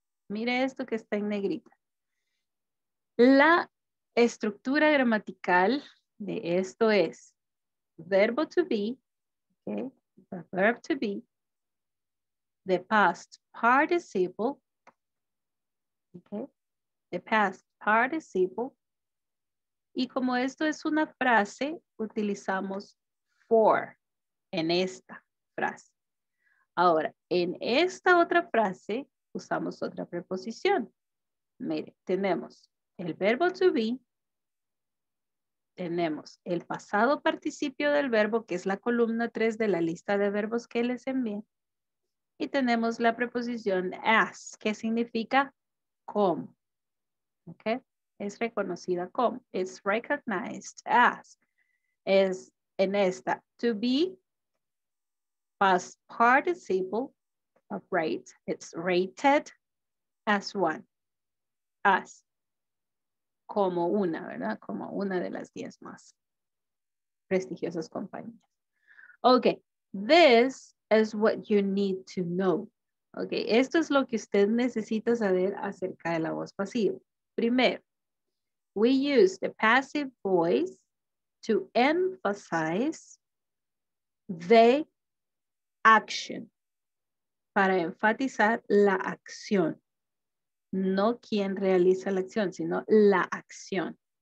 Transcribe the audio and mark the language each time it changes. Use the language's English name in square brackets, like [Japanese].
[Spanish] Mire esto que está en negrita. La estructura gramatical de esto es verbo to be, [English] okay? The verb to be, the past participle, okay? The past participle. [Spanish] Y como esto es una frase, utilizamos for en esta frase. Ahora, en esta otra frase, usamos otra preposición. Mire, tenemos el verbo to be. Tenemos el pasado participio del verbo, que es la columna 3 de la lista de verbos que les envié. Y tenemos la preposición as, que significa como. Okay, es reconocida como, [English] it's recognized as, [Spanish] es en esta, to be, [English] past participle, of rate, it's rated as one, [Spanish] as, como una, ¿verdad? Como una de las 10 más prestigiosas compañías. [English] Okay, this is what you need to know. [Spanish] Okay, esto es lo que usted necesita saber acerca de la voz pasiva. [English] Primero, we use the passive voice to emphasize the action, [Spanish] para enfatizar la acción, no quien realiza la acción, sino la acción.